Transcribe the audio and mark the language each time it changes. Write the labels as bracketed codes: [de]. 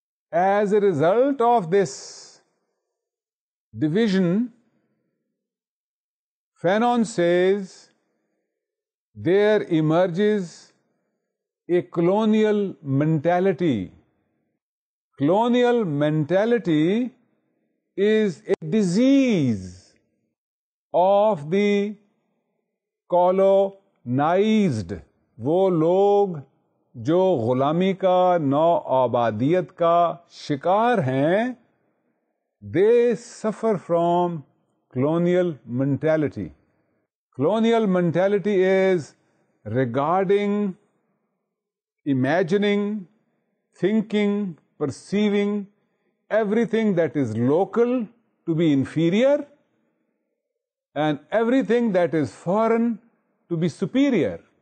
[en] As a result of this division, Fanon says, there emerges a colonial mentality. Colonial mentality is a disease of the colonized. [ur] وہ لوگ جو غلامی کا نو آبادیت کا شکار ہیں, [en] they suffer from colonial mentality. Colonial mentality is regarding, imagining, thinking, perceiving everything that is local to be inferior and everything that is foreign to be superior.